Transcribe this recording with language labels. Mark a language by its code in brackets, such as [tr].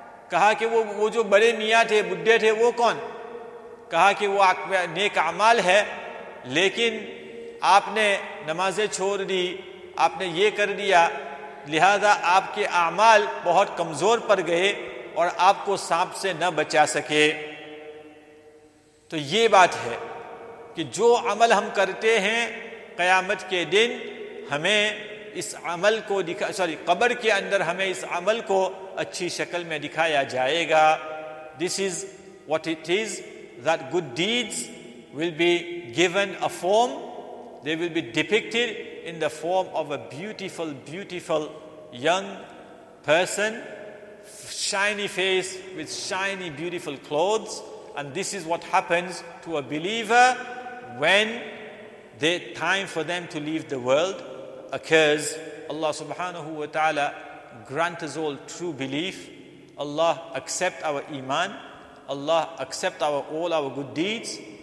[ur] کہا کہ وہ جو بڑے میاں تھے بڈھے تھے وہ کون؟ کہا کہ وہ نیک اعمال ہے، لیکن آپ نے نمازیں چھوڑ دی، آپ نے یہ کر دیا، لہذا آپ کے اعمال بہت کمزور پڑ گئے اور آپ کو سانپ سے نہ بچا سکے. تو یہ بات ہے کہ جو عمل ہم کرتے ہیں قیامت کے دن ہمیں اس عمل کو قبر کے اندر ہمیں اس عمل کو اچھی شکل میں دکھایا جائے گا. [en] This is what it is, that good deeds will be given a form, they will be depicted in the form of a beautiful beautiful young person, shiny face with shiny beautiful clothes. And this is what happens to a believer when the time for them to leave the world occurs. Allah subhanahu wa ta'ala grant us all true belief. Allah accept our iman. Allah accept all our good deeds.